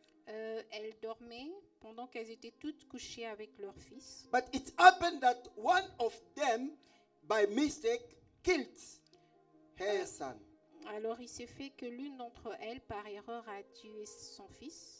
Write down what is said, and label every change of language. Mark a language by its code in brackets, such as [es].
[fr] Elles dormaient pendant qu'elles étaient toutes couchées avec leur fils. [en] But it happened that one of them, by mistake, killed her son. [fr] Alors il s'est fait que l'une d'entre elles, par erreur, a tué son fils.